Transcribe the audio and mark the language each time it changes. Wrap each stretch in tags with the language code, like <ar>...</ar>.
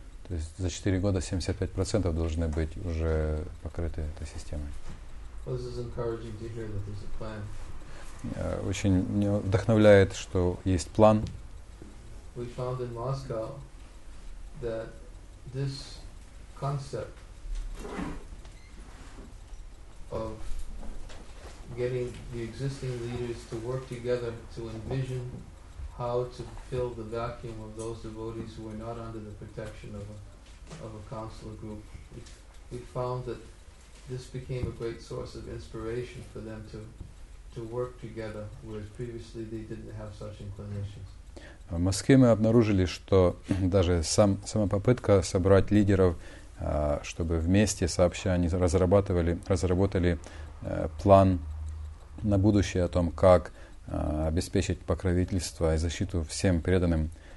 <ru>То есть за 4 года 75% должны быть уже покрыты этой системой.</ru> <en>Well, this is encouraging to hear that there's a plan.</en> <ru>Очень меня вдохновляет, что есть план.</ru> <en>We found in Moscow that this concept of getting the existing leaders to work together to envision how to fill the vacuum of those devotees who are not under the protection of a counselor group. We found that this became a great source of inspiration for them to work together, whereas previously they didn't have such inclinations.</en> <ru>В Москве мы обнаружили, что даже сама попытка собрать лидеров, чтобы вместе сообща они разработали план на будущее о том, как обеспечить покровительство и защиту всем преданным,</ru>